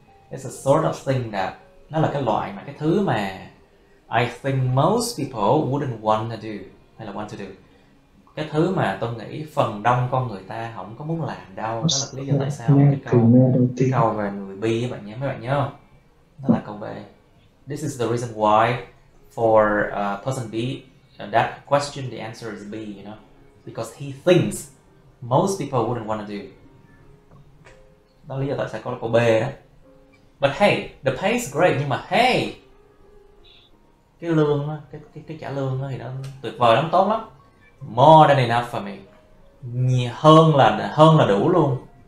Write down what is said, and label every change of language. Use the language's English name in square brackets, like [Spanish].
[English] It's the sort of thing that, [Vietnamese] nó là cái loại mà, cái thứ mà [English] I think most people wouldn't want to do. [Vietnamese] Hay là [English] want to do. [Vietnamese] Cái thứ mà tôi nghĩ phần đông con người ta không có muốn làm đâu. Đó là lý do tại sao cái câu về người B ấy, bạn nhé, mấy bạn nhớ không? Đó là câu B. [English] This is the reason why for person B, that question, the answer is B, you know? Because he thinks most people wouldn't want to do. [Vietnamese] Đó là lý do tại sao có câu B đó. [English] But hey, the pay is great, [Vietnamese] nhưng mà hey, cái lương đó, cái trả lương đó thì nó tuyệt vời lắm, tốt lắm. [English] More than enough for me. [Vietnamese] Hơn là đủ luôn.